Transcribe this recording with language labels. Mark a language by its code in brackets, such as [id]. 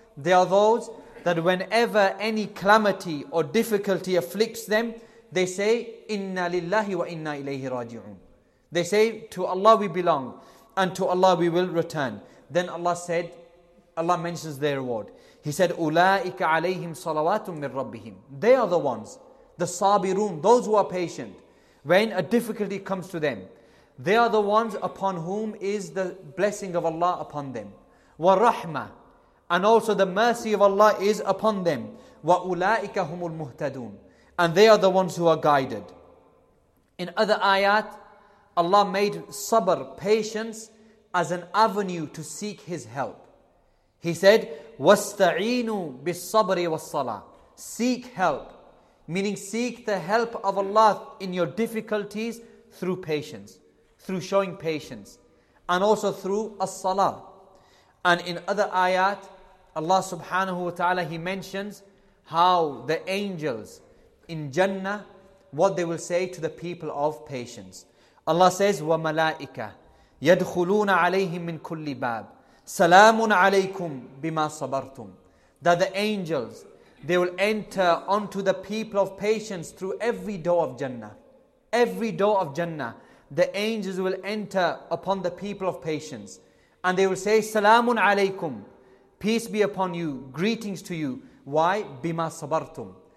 [en] They are those that whenever any calamity or difficulty afflicts them, they say, [ar] إِنَّا لِلَّهِ وَإِنَّا إِلَيْهِ رَاجِعُونَ. [en] They say, to Allah we belong, and to Allah we will return. Then Allah said, Allah mentions their reward. He said, [ar] أُولَٰئِكَ عَلَيْهِمْ صَلَوَاتٌ مِّن رَبِّهِمْ. [en] They are the ones, the sabirun, those who are patient. When a difficulty comes to them, they are the ones upon whom is the blessing of Allah upon them. [ar] وَالرَّحْمَةِ. [en] And also the mercy of Allah is upon them. [ar] وَأُولَٰئِكَ هُمُ الْمُهْتَدُونَ. [en] And they are the ones who are guided. In other ayat, Allah made sabr, patience, as an avenue to seek His help. He said, [ar] وَاسْتَعِينُوا بِالصَّبْرِ وَالصَّلَاةِ. [en] Seek help. Meaning seek the help of Allah in your difficulties through patience. Through showing patience. And also through as-salah. And in other ayat, Allah subhanahu wa ta'ala, He mentions how the angels in Jannah, what they will say to the people of patience. Allah says, [ar] وَمَلَائِكَ يَدْخُلُونَ عَلَيْهِمْ مِنْ كُلِّ بَابٍ. Salamun alaykum bima sabartum. [en] That the angels, they will enter onto the people of patience through every door of Jannah. Every door of Jannah, the angels will enter upon the people of patience. And they will say, [ar] Salamun alaykum. [en] Peace be upon you. Greetings to you. Why? [ar] Bima sabartum.